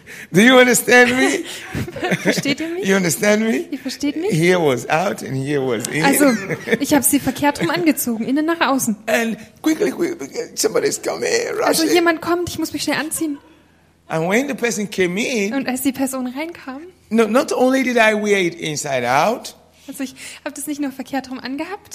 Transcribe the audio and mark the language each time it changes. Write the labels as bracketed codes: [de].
[en] Do you understand me? [de] Versteht ihr mich? [en] You understand me? [de] Ihr versteht mich? [en] Here was out and here was in. [de] Also, ich habe sie verkehrt rum angezogen, innen nach außen. [en] And quickly somebody's coming, rushing. [de] Also jemand kommt, ich muss mich schnell anziehen. [en] And when the person came in, [de] und als die Person reinkam, [en] no, not only did I wear it inside out, [de] also ich habe das nicht nur verkehrt rum angehabt,